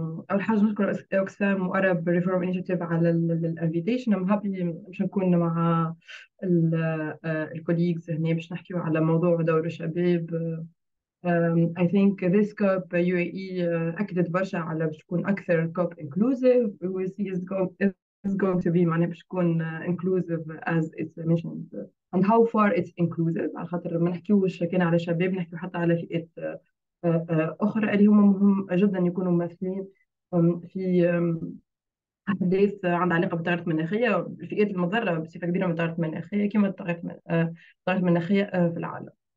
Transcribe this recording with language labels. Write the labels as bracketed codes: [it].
[ar] أول حاجة نشكر أوكسام وأرب ريفورم إنيشيتيف على الانفيتيشن. أم هابي باش نكون مع الكوليجز هنا باش نحكيو على موضوع دور الشباب. [en] I think this COP UAE [ar] أكدت برشا على باش تكون أكثر [en] COP inclusive. We will see is going to be [ar] معناها باش تكون [en] inclusive as its missions and how far it's inclusive. [ar] على خاطر ما نحكيوش كان على شباب، نحكيو حتى على فئات أخرى اللي هم مهم جدا يكونوا ممثلين في أحداث عندها علاقة بالتغيرات المناخية، الفئات المضرة بصفة كبيرة من التغيرات المناخية كما التغيرات المناخية في العالم.